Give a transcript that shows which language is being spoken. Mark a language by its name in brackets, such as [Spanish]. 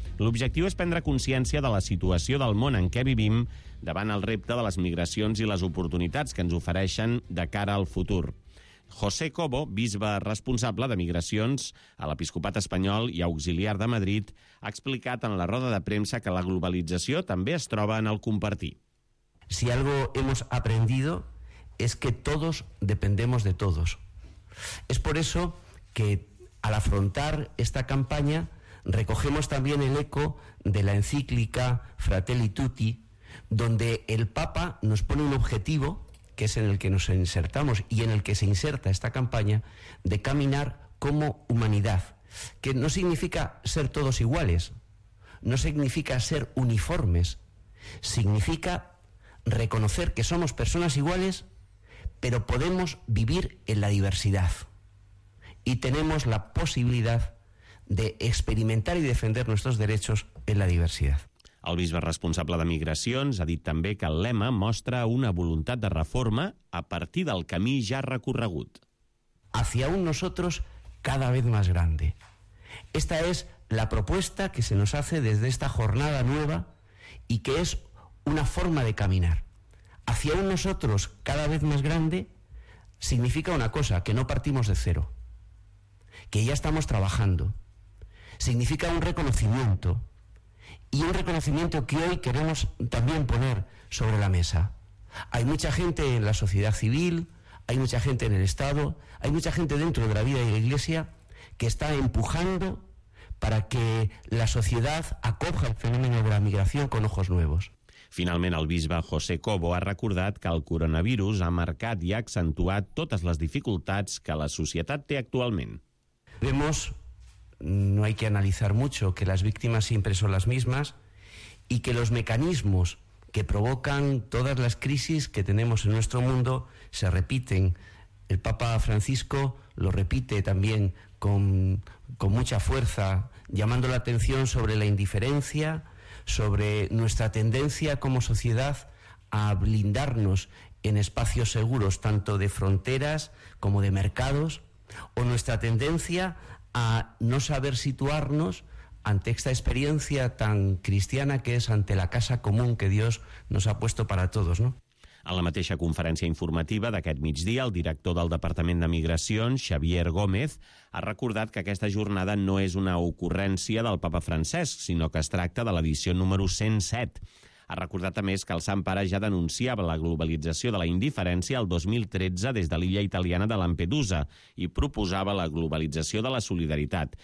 [Catalan] L'objectiu és prendre consciència de la situació del món en què vivim davant el repte de les migracions i les oportunitats que ens ofereixen de cara al futur. José Cobo, bisbe responsable de migracions a l'Episcopat Espanyol i auxiliar de Madrid, ha explicat en la roda de premsa que la globalització també es troba en el compartir. [Spanish] Si algo hemos aprendido es que todos dependemos de todos. Es por eso que al afrontar esta campaña recogemos también el eco de la encíclica Fratelli Tutti, donde el Papa nos pone un objetivo que es en el que nos insertamos y en el que se inserta esta campaña, de caminar como humanidad. Que no significa ser todos iguales, no significa ser uniformes, significa reconocer que somos personas iguales, pero podemos vivir en la diversidad. Y tenemos la posibilidad de experimentar y defender nuestros derechos en la diversidad. [Catalan] El bisbe responsable de migracions ha dit també que el lema mostra una voluntat de reforma a partir del camí ja recorregut. [Spanish] Hacia un nosotros cada vez más grande. Esta es la propuesta que se nos hace desde esta jornada nueva y que es una forma de caminar. Hacia un nosotros cada vez más grande significa una cosa, que no partimos de cero, que ya estamos trabajando. Significa un reconocimiento. Y un reconocimiento que hoy queremos también poner sobre la mesa. Hay mucha gente en la sociedad civil, hay mucha gente en el Estado, hay mucha gente dentro de la vida y la Iglesia que está empujando para que la sociedad acoja el fenómeno de la migración con ojos nuevos. [Catalan] Finalment, el bisbe José Cobo ha recordat que el coronavirus ha marcat i ha accentuat totes les dificultats que la societat té actualment. [Spanish] Vemos, no hay que analizar mucho, que las víctimas siempre son las mismas y que los mecanismos que provocan todas las crisis que tenemos en nuestro mundo se repiten. El Papa Francisco lo repite también con mucha fuerza, llamando la atención sobre la indiferencia, sobre nuestra tendencia como sociedad a blindarnos en espacios seguros, tanto de fronteras como de mercados, o nuestra tendencia a no saber situarnos ante esta experiencia tan cristiana que es ante la casa común que Dios nos ha puesto para todos, ¿no? [Catalan] A la mateixa conferència informativa d'aquest migdia, el director del Departament de Migracions, Xavier Gómez, ha recordat que aquesta jornada no és una ocurrència del Papa Francesc, sinó que es tracta de l'edició número 107. Ha recordat, a més, que el Sant Pare ja denunciava la globalització de la indiferència el 2013 des de l'illa italiana de Lampedusa i proposava la globalització de la solidaritat.